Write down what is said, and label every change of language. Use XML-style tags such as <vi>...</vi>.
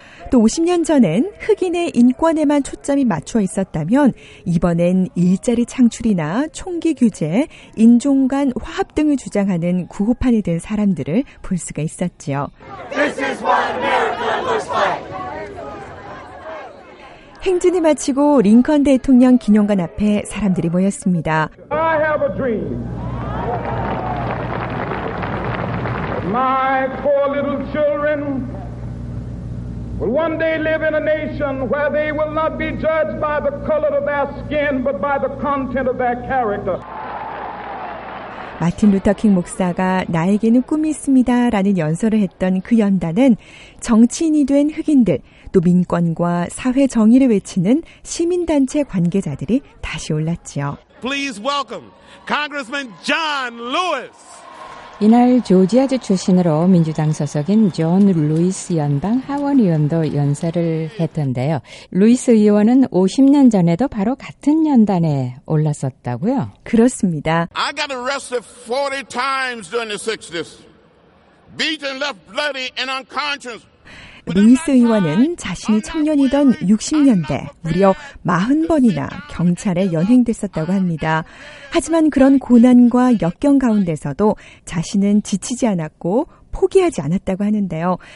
<ko>또 50년 전엔 흑인의 인권에만 초점이 맞춰 있었다면 이번엔 일자리 창출이나 총기 규제, 인종 간 화합 등을 주장하는 구호판이 된 사람들을 볼 수가 있었지요.</ko> <en>This is what America looks like.</en> <ko>행진을 마치고 링컨 대통령 기념관 앞에 사람들이 모였습니다.</ko> <en>I have a dream. My poor little children will one day live in a nation where they will not be judged by the color of their skin but by the content of their character.</en> <ko>마틴 루터킹 목사가 나에게는 꿈이 있습니다 라는 연설을 했던 그 연단은 정치인이 된 흑인들, 또 민권과 사회 정의를 외치는 시민단체 관계자들이 다시 올랐지요.</ko> <en>Please welcome Congressman John Lewis.</en> <ko>이날 조지아주 출신으로 민주당 소속인 존 루이스 연방 하원 의원도 연설을 했던데요. 루이스 의원은 50년 전에도 바로 같은 연단에 올랐었다고요? 그렇습니다.</ko> <en>I got arrested 40 times during the 60s. Beaten, left bloody and unconscious.</en> <ko>루이스 의원은 자신이 청년이던 60년대 무려 40번이나 경찰에 연행됐었다고 합니다. 하지만 그런 고난과 역경 가운데서도 자신은 지치지 않았고 포기하지 않았다고 하는데요.</ko>